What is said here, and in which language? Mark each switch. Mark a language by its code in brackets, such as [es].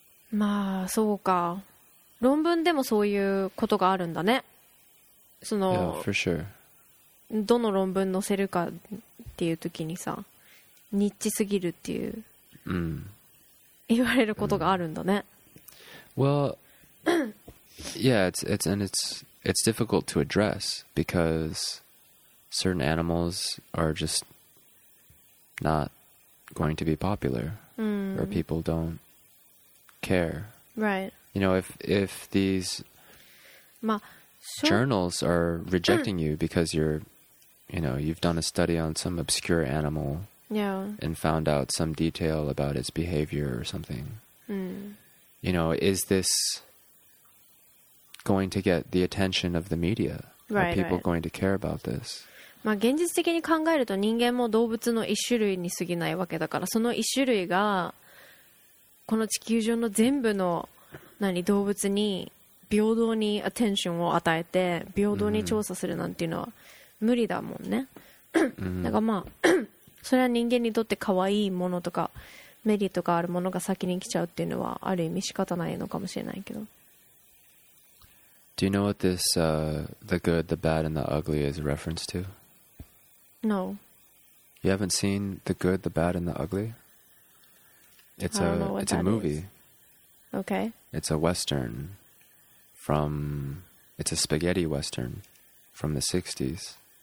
[ja] まあそうか、論文でもそういうことがあるんだね。その、 [en] yeah, for sure. [ja] どの論文載せるかっていう時にさ、ニッチすぎるっていう、言われることがあるんだね。 [en] Well, yeah, it's difficult to address because certain animals are just not going to be popular, or people don't care. Right. You know, if these journals are rejecting you because you've done a study on some obscure animal. Yeah. And found out some detail about its behavior or something. Mm. You know, is this going to get the attention of the media? Right, are people right. going to care about this? [ja] まあ現実的に考えると人間も動物の一種類に過ぎないわけだから、その一種類がこの地球上の全部の動物に平等にアテンションを与えて平等に調査するなんていうのは無理だもんね。だからまあそれは人間にとって可愛いものとかメリットがあるものが先に来ちゃうっていうのはある意味仕方ないのかもしれないけど。 [en] Do you know what this, the good, the bad, and the ugly is a reference to? No. You haven't seen the good, the bad, and the ugly? It's a movie. Okay. It's a Western from... It's a spaghetti Western from the 60s.